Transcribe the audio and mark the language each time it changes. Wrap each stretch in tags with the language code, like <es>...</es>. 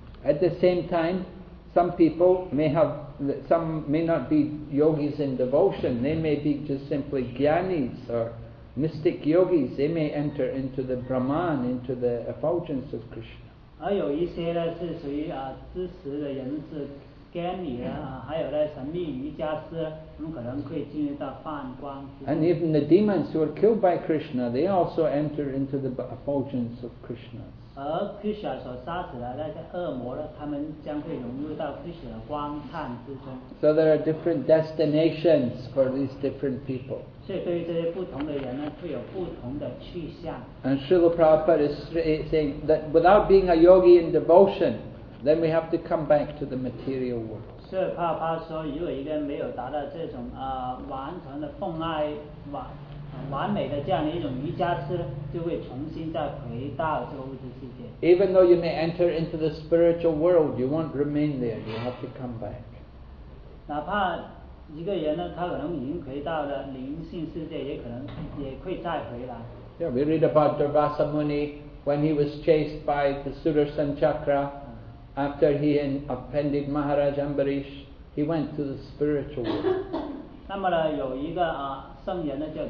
<en>At the same time, some people may not be yogis in devotion. They may be just simply jnanis or mystic yogis. They may enter into the Brahman, into the effulgence of Krishna.</en> <zh>而有一些呢是属于知识的人士 ，jnani 啊，还有呢神秘瑜伽师，他们可能可以进入到梵光。</zh> <en>And even the demons who are killed by Krishna, they also enter into the effulgence of Krishna.</en> <zh>而 Krishna 所杀死的那些恶魔呢，他们将会融入到 Krishna 的光灿之中。</zh> <en>So there are different destinations for these different people.</en> <zh>所以对于这些不同的人呢，会有不同的去向。</zh> <en>And Srila Prabhupada is saying that without being a yogi in devotion, then we have to come back to the material world.</en> <zh>所以帕帕说，如果一个人没有达到这种完全的奉爱完美的这样的一种瑜伽师，就会重新再回到这个物质世界。</zh> <en>Even though you may enter into the spiritual world, you won't remain there. You have to come back.</en> <zh>哪怕一个人呢，他可能已经回到了灵性世界，也可能也会再回来。</zh> <en>Yeah, we read about Durvasa Muni when he was chased by the Sudarshan Chakra after he had offended Maharaj Ambarish. He went to the spiritual world.</en> <zh>那么呢，有一个圣人呢叫</zh>